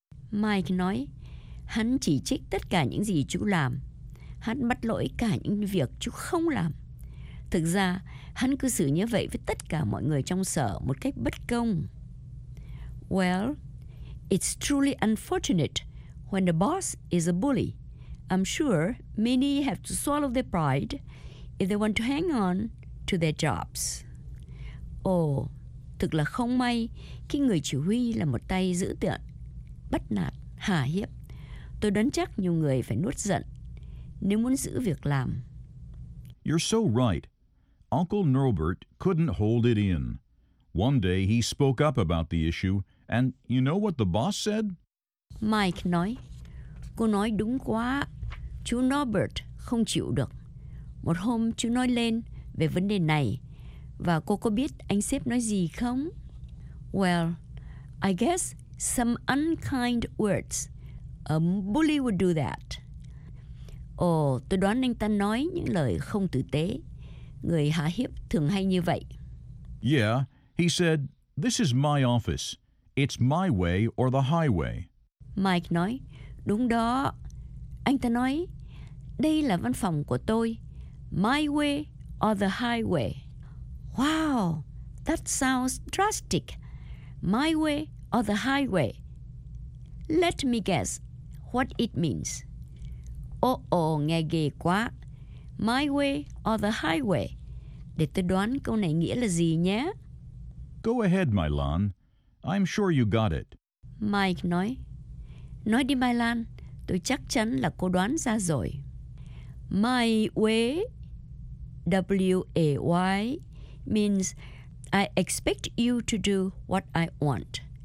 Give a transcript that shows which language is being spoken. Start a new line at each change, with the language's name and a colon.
Vietnamese: Mike nói, hắn chỉ trích tất cả những gì chú làm. Hắn bắt lỗi cả những việc chú không làm. Thực ra, hắn cư xử như vậy với tất cả mọi người trong sở một cách bất công.
English: Well, it's truly unfortunate when a boss is a bully. I'm sure many have to swallow their pride if they want to hang on to their jobs.
Vietnamese: Ồ, thực là không may khi người chỉ huy là một tay dữ tợn, bắt nạt, hà hiếp. Tôi đoán chắc nhiều người phải nuốt giận nếu muốn giữ việc làm.
English: You're so right. Uncle Norbert couldn't hold it in. One day he spoke up about the issue, and you know what the boss said?
Vietnamese: Mike nói, cô nói đúng quá, chú Norbert không chịu được. Một hôm chú nói lên về vấn đề này, và cô có biết anh sếp nói gì không?
English: Well, I guess some unkind words. A bully would do that.
Vietnamese: Ồ, tôi đoán anh ta nói những lời không tử tế. Người hạ hiếp thường hay như vậy.
English: Yeah, he said, this is my office. It's my way or the highway.
Vietnamese: Mike nói, đúng đó. Anh ta nói, đây là văn phòng của tôi.
English: My way or the highway. Wow, that sounds drastic. My way or the highway. Let me guess what it means.
Vietnamese: Oh, nghe ghê quá.
English: My way or the highway.
Vietnamese: Để tôi đoán câu này nghĩa là gì nhé.
English: Go ahead, Mylan. I'm sure you got it.
Vietnamese: Mike nói. Nói đi, Mylan. Tôi chắc chắn là cô đoán ra rồi.
English: My way, W-A-Y, means I expect you to do what I want.